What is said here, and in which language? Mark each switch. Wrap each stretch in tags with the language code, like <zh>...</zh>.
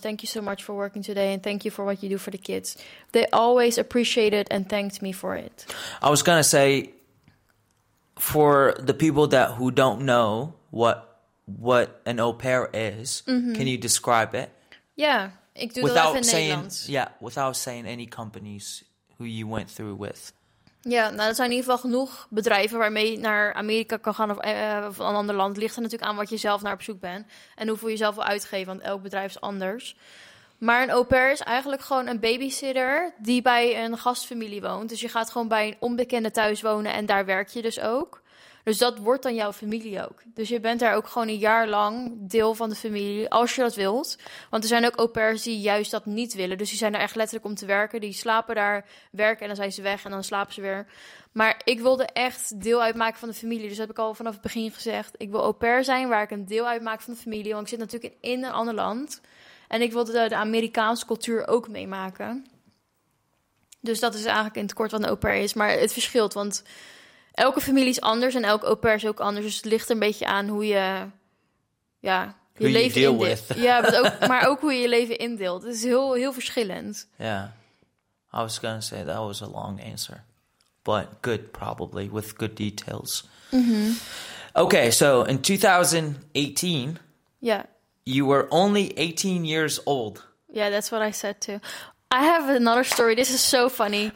<en>Thank you so much for working today, and thank you for what you do for the kids. They always appreciated and thanked me for it. I was going to say, for the people who don't know what an au pair is, can you describe it? Yeah, ik doe without dat even saying</en> <nl>Nederlands.</nl> <en>Yeah, without saying any companies who you went through with.</en> <nl>Ja, nou, er zijn in ieder geval genoeg bedrijven waarmee je naar Amerika kan gaan of een ander land. Ligt er natuurlijk aan wat je zelf naar op zoek bent en hoeveel je zelf wil uitgeven, want elk bedrijf is anders. Maar een au pair is eigenlijk gewoon een babysitter die bij een gastfamilie woont. Dus je gaat gewoon bij een onbekende thuis wonen en daar werk je dus ook. Dus dat wordt dan jouw familie ook. Dus je bent daar ook gewoon een jaar lang deel van de familie, als je dat wilt. Want er zijn ook au pairs die juist dat niet willen. Dus die zijn er echt letterlijk om te werken. Die slapen daar, werken en dan zijn ze weg en dan slapen ze weer. Maar ik wilde echt deel uitmaken van de familie. Dus dat heb ik al vanaf het begin gezegd. Ik wil au pair zijn waar ik een deel uitmaak van de familie. Want ik zit natuurlijk in een ander land. En ik wilde de Amerikaanse cultuur ook meemaken. Dus dat is eigenlijk in het kort wat een au pair is. Maar het verschilt, want elke familie is anders en elke au pair is ook anders. Dus het ligt een beetje aan hoe je je leven indeelt. Ja, maar ook hoe je je leven indeelt. Het is heel, heel verschillend. Ja. Yeah.</nl> <en>I was going to say that was a long answer. But good, probably, with good details. Mm-hmm. Okay, so in 2018... Yeah. You were only 18 years old. Yeah, that's what I said too. I have another story. This is so funny.</en>